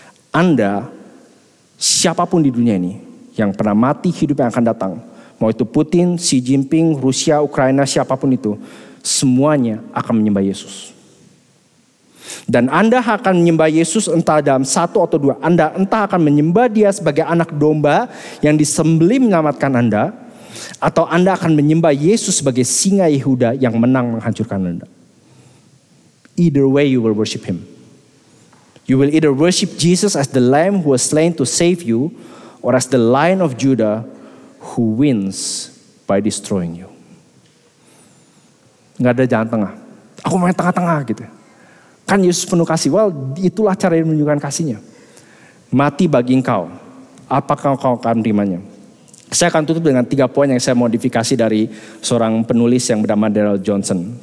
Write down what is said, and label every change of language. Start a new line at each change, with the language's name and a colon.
Indonesian: Anda, siapapun di dunia ini, yang pernah mati, hidup yang akan datang, mau itu Putin, Xi Jinping, Rusia, Ukraina, siapapun itu, semuanya akan menyembah Yesus. Dan Anda akan menyembah Yesus entah dalam satu atau dua. Anda entah akan menyembah dia sebagai anak domba yang disembelih menyelamatkan Anda. Atau Anda akan menyembah Yesus sebagai singa Yehuda yang menang menghancurkan Anda.
English: Either way you will worship him. You will either worship Jesus as the lamb who was slain to save you. Or as the lion of Judah who wins by destroying you.
Indonesian: Gak ada jalan tengah. Aku mau yang tengah-tengah gitu. Kan Yesus penuh kasih. Well, itulah cara yang menunjukkan kasihnya. Mati bagi engkau. Apakah engkau akan menerimanya? Saya akan tutup dengan 3 poin yang saya modifikasi dari seorang penulis yang bernama Daryl Johnson.